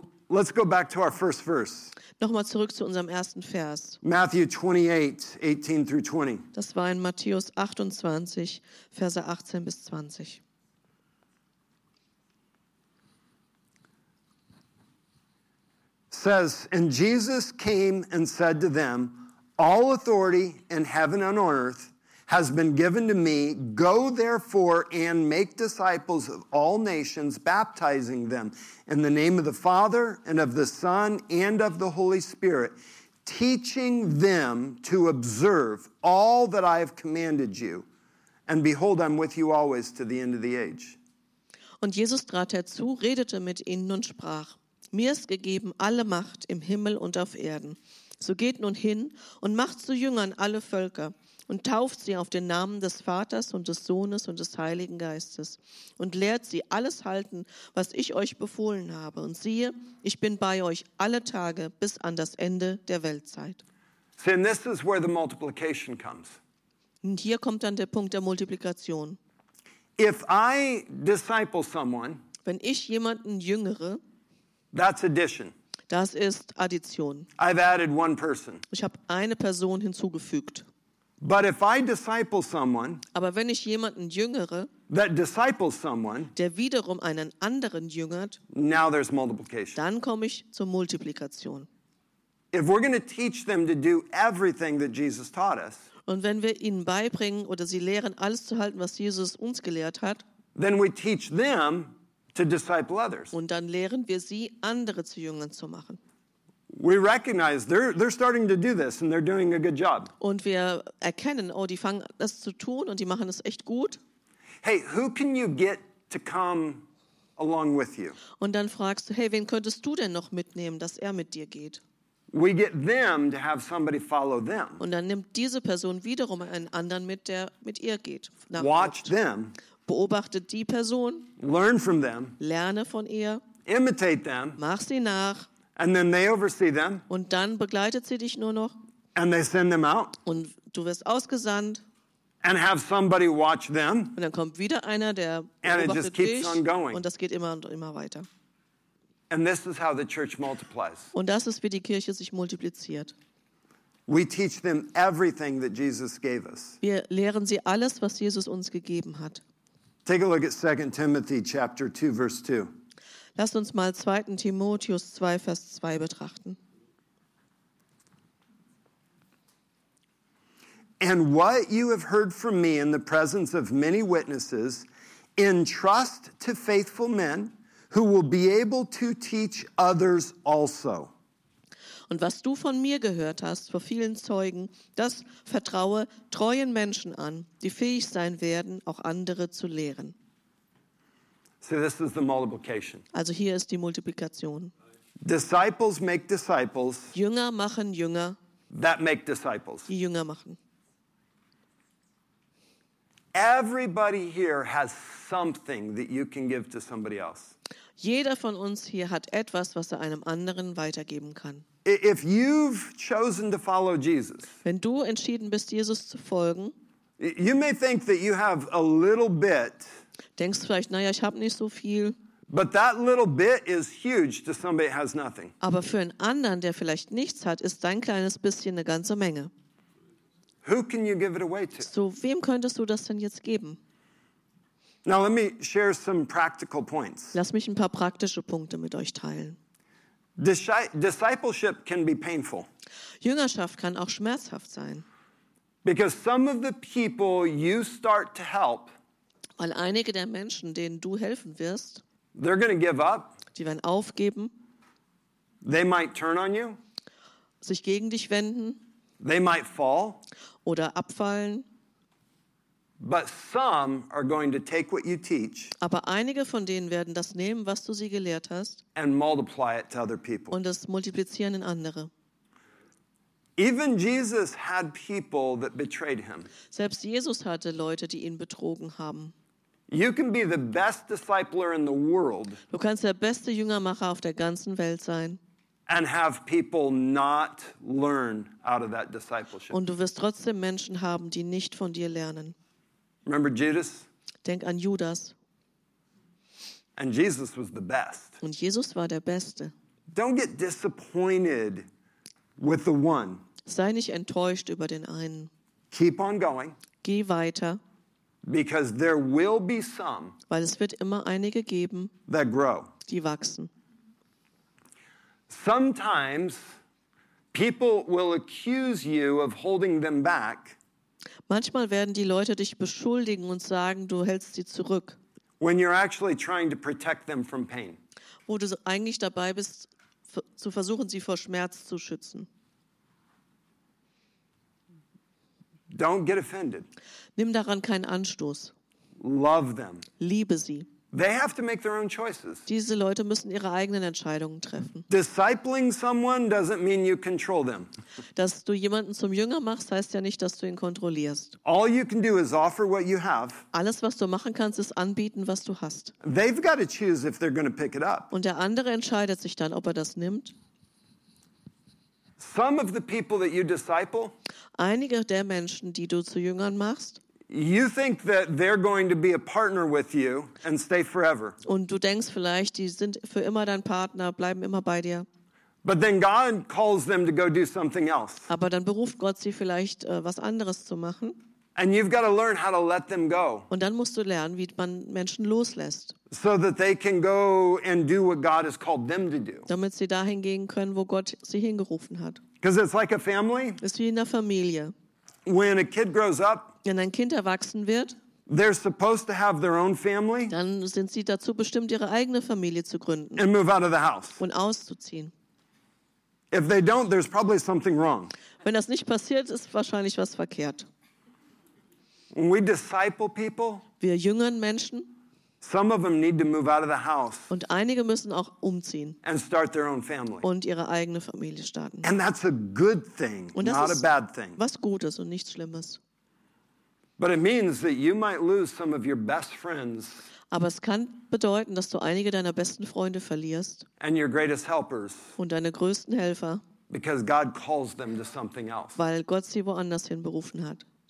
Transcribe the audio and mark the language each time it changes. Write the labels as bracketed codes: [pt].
[en] Let's go back to our first verse. [de] Nochmal zurück zu unserem ersten Vers. [en] Matthew 28, 18 through 20. [de] Das war in Matthäus 28, Verse 18 bis 20. [en] Says, and Jesus came and said to them, all authority in heaven and on earth has been given to me. Go therefore and make disciples of all nations, baptizing them in the name of the Father and of the Son and of the Holy Spirit, teaching them to observe all that I have commanded you. And behold, I'm with you always to the end of the age. [de] Und Jesus trat herzu, redete mit ihnen und sprach, mir ist gegeben alle Macht im Himmel und auf Erden. So geht nun hin und macht zu Jüngern alle Völker und tauft sie auf den Namen des Vaters und des Sohnes und des Heiligen Geistes und lehrt sie alles halten, was ich euch befohlen habe. Und siehe, ich bin bei euch alle Tage bis an das Ende der Weltzeit. [en] See, this is where the multiplication comes. [de] Und hier kommt dann der Punkt der Multiplikation. [en] If I disciple someone, [de] wenn ich jemanden jüngere, [en] that's addition. [de] Das ist Addition. [en] I've added one person. [de] Ich habe eine Person hinzugefügt. [en] But if I disciple someone, [de] aber wenn ich jemanden jüngere, [en] that disciples someone, [de] der wiederum einen anderen jüngert, [en] now there's multiplication. [de] Dann komme ich zur Multiplikation. [en] If we're going to teach them to do everything that Jesus taught us, [de] und wenn wir ihnen beibringen oder sie lehren, alles zu halten, was Jesus uns gelehrt hat, [en] then we teach them to disciple others. [de] Und dann lehren wir sie, andere zu Jüngern zu machen. [en] We recognize they're starting to do this and they're doing a good job. [de] Und wir erkennen, oh, die fangen das zu tun und die machen es echt gut. [en] Hey, who can you get to come along with you? [de] Und dann fragst du, hey, wen könntest du denn noch mitnehmen, dass er mit dir geht? [en] We get them to have somebody follow them. [de] Und dann nimmt diese Person wiederum einen anderen mit, der mit ihr geht. [en] Watch them. [de] Beobachte die Person. [en] Learn from them. [de] Lerne von ihr. [en] Imitate them. [de] Mach sie nach. [en] And then they oversee them. [de] Und dann begleitet sie dich nur noch. [en] And they send them out. [de] Und du wirst ausgesandt. [en] And have somebody watch them. [de] Und dann kommt wieder einer, der [en] and [de] beobachtet [en] it just keeps [de] dich. [en] On going. [de] Und das geht immer und immer weiter. [en] And this is how the church multiplies. [de] Und das ist, wie die Kirche sich multipliziert. [en] We teach them everything that Jesus gave us. [de] Wir lehren sie alles, was Jesus uns gegeben hat. [en] Take a look at 2 Timothy chapter 2, verse 2. [de] Lasst uns mal 2. Timotheus 2, Vers 2 betrachten. [en] And what you have heard from me in the presence of many witnesses, entrust to faithful men who will be able to teach others also. [de] Und was du von mir gehört hast vor vielen Zeugen, das vertraue treuen Menschen an, die fähig sein werden, auch andere zu lehren. [en] So this is the multiplication. [de] Also hier ist die Multiplikation. [en] Disciples make disciples. [de] Jünger machen Jünger. [en] That make disciples. [de] Die Jünger machen. [en] Everybody here has something that you can give to somebody else. [de] Jeder von uns hier hat etwas, was er einem anderen weitergeben kann. [en] If you've chosen to follow Jesus, [de] wenn du entschieden bist, Jesus zu folgen, [en] you may think that you have a little bit. [de] Denkst vielleicht, naja, ich habe nicht so viel. [en] But that little bit is huge to somebody who has nothing. [de] Aber für einen anderen, der vielleicht nichts hat, ist dein kleines bisschen eine ganze Menge. [en] Who can you give it away to? [de] So, wem könntest du das denn jetzt geben? [en] Now let me share some practical points. [de] Lass mich ein paar praktische Punkte mit euch teilen. [en] Discipleship can be painful. [de] Jüngerschaft kann auch schmerzhaft sein. [en] Because some of the people you start to help, [de] weil einige der Menschen, denen du helfen wirst, [en] they're going to give up. [de] Die werden aufgeben. [en] They might turn on you. [de] Sich gegen dich wenden. [en] They might fall. [de] Oder abfallen. [en] But some are going to take what you teach. [de] Aber einige von denen werden das nehmen, was du sie gelehrt hast. [en] And multiply it to other people. [de] Und es multiplizieren in andere. [en] Even Jesus had people that betrayed him. [de] Selbst Jesus hatte Leute, die ihn betrogen haben. [en] You can be the best discipler in the world. [de] Du kannst der beste Jüngermacher auf der ganzen Welt sein. [en] And have people not learn out of that discipleship. [de] Und du wirst trotzdem Menschen haben, die nicht von dir lernen. [en] Remember Judas? [de] Denk an Judas. [en] And Jesus was the best. [de] Und Jesus war der Beste. [en] Don't get disappointed with the one. [de] Sei nicht enttäuscht über den einen. [en] Keep on going. [de] Geh weiter. [en] Because there will be some. [de] Weil es wird immer einige geben. [en] That grow. [de] Die wachsen. [en] Sometimes people will accuse you of holding them back. [de] Manchmal werden die Leute dich beschuldigen und sagen, du hältst sie zurück. [en] When you're actually trying to protect them from pain. [de] Wo du eigentlich dabei bist, zu versuchen, sie vor Schmerz zu schützen. [en] Don't get offended. [de] Nimm daran keinen Anstoß. [en] Love them. [de] Liebe sie. [en] They have to make their own choices. [de] Diese Leute müssen ihre eigenen Entscheidungen treffen. [en] Discipling someone doesn't mean you control them. [de] Dass du jemanden zum Jünger machst, heißt ja nicht, dass du ihn kontrollierst. [en] All you can do is offer what you have. [de] Alles, was du machen kannst, ist anbieten, was du hast. [en] They've got to choose if they're going to pick it up. [de] Und der andere entscheidet sich dann, ob er das nimmt. [en] Some of the people that you disciple. [de] Einige der Menschen, die du zu Jüngern machst. [en] You think that they're going to be a partner with you and stay forever. [de] Und du denkst vielleicht, die sind für immer dein Partner, bleiben immer bei dir. [en] But then God calls them to go do something else. [de] Aber dann beruft Gott sie vielleicht, was anderes zu machen. [en] And you've got to learn how to let them go. [de] Und dann musst du lernen, wie man Menschen loslässt. [en] So that they can go and do what God has called them to do. [de] Damit sie dahin gehen können, wo Gott sie hingerufen hat. [en] Because it's like a family. [de] Ist wie in der Familie. [en] When a kid grows up. [de] Wenn ein Kind erwachsen wird, [en] they're supposed to have their own family, [de] dann sind sie dazu bestimmt, ihre eigene Familie zu gründen [en] and move out of the house. [de] Und auszuziehen. [en] If they don't, there's probably something wrong. [de] Wenn das nicht passiert, ist wahrscheinlich was verkehrt. [en] When we disciple people, [de] wir jüngern Menschen, [en] some of them need to move out of the house [de] und einige müssen auch umziehen [en] and start their own family. [de] Und ihre eigene Familie starten. [en] And that's a good thing, [de] und das [en] not [de] ist [en] a bad thing. [de] Was Gutes und nichts Schlimmes. [en] But it means that you might lose some of your best friends. [de] Aber es kann bedeuten, dass du einige deiner besten Freunde verlierst. [en] And your greatest helpers. [de] Und deine größten Helfer. [en] Because God calls them to something else. [de] Weil Gott sie woanders hin berufen hat.